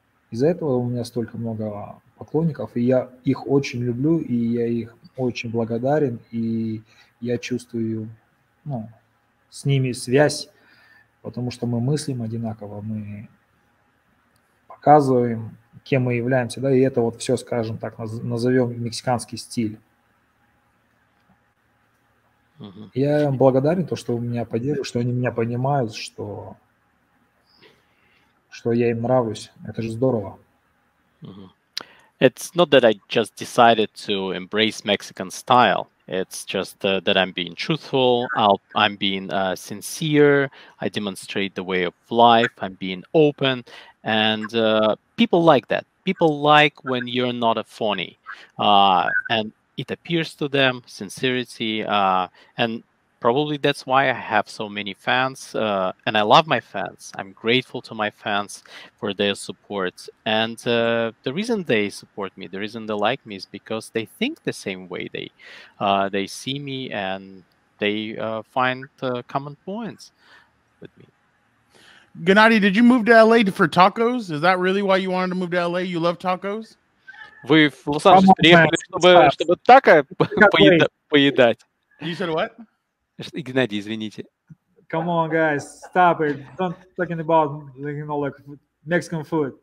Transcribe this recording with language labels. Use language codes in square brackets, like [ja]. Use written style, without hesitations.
[ru] Из-за этого у меня столько много поклонников, и я их очень люблю, и я их очень благодарен, и я чувствую, ну, с ними связь, потому что мы мыслим одинаково, мы показываем, кем мы являемся, да, и это вот все, скажем так, назовем мексиканский стиль. Я им благодарен, то, что у меня поддерживают, что они меня понимают, что я им нравлюсь. Это же здорово. [en] It's not that I just decided to embrace Mexican style. It's just that I'm being truthful. I'm being sincere. I demonstrate the way of life. I'm being open. And people like that. People like when you're not a phony. And it appears to them, sincerity, and probably that's why I have so many fans, and I love my fans. I'm grateful to my fans for their support, and the reason they support me, the reason they like me is because they think the same way. They see me, and they find common points with me. Gennadiy, did you move to LA for tacos? Is that really why you wanted to move to LA? You love tacos? [ru] Вы в Лос-Анджелес приехали, чтобы тако поедать. [en] You said what? [ru] Игнатий, извините. [en] Come on, guys, stop it. Don't talking about, you know, like Mexican food.